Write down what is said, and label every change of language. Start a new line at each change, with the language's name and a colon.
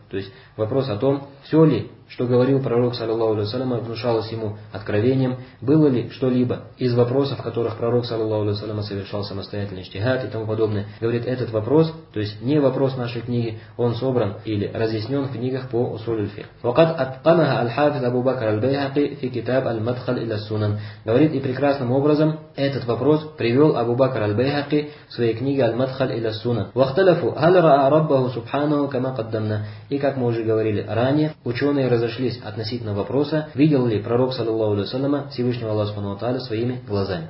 Russian: То есть вопрос о том, все ли, что говорил пророк, саллиллаху алейхи ва саллям, внушалось ему откровением, было ли что-либо из вопросов, в которых пророк, саллиллаху алейхи ва саллям, совершал самостоятельный иджтихад и тому подобное. Говорит, этот вопрос, то есть не вопрос нашей книги, он собран или разъяснен в книгах по усуль аль-фикх.
Arabic: وقد اتقنها الحافظ ابو بكر البيهقي في كتاب المدخل الى السنن.
Russian: Говорит, и прекрасным образом этот вопрос привел Абу Бакр аль-Байхаки в своей книге «Аль-Мадхаль иля Суннан».
Arabic: «Вахталафу, халра'а Раббаху Субханаху кама каддамна».
Russian: И как мы уже говорили ранее, ученые разошлись относительно вопроса, видел ли пророк, саллиллаху алейхи ва саллама, Всевышнего Аллаха Субхана ва Тааля своими глазами.